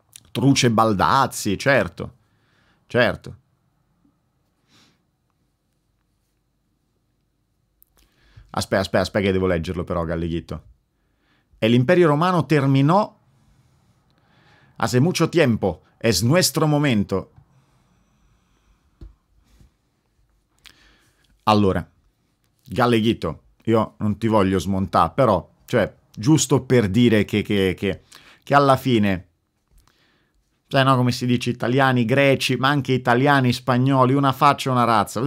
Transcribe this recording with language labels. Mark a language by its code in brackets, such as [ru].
[it] Truce Baldazzi, certo. Certo. Aspetta, che devo leggerlo però, Galleghito. E l'Impero Romano terminò [es] hace mucho tiempo, es nuestro momento. [it] Allora, Galleghito, io non ti voglio smontare, però, cioè, giusto per dire che alla fine, sai, no, come si dice, italiani, greci, ma anche italiani, spagnoli, una faccia e una razza.